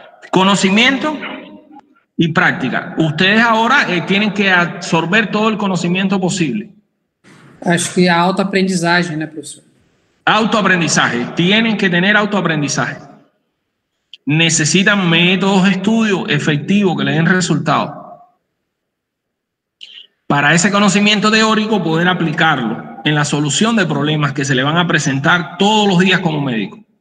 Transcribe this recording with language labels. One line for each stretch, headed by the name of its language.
Spanish: Conocimiento y práctica. Ustedes ahora tienen que absorber todo el conocimiento posible.
Portuguese: Acho que a autoaprendizagem, né, professor?
Spanish: Autoaprendizagem. Tienen que tener autoaprendizagem. Necesitan métodos de estudio efectivos que le den resultado. Para ese conocimiento teórico poder aplicarlo en la solución de problemas que se le van a presentar todos los días como médico.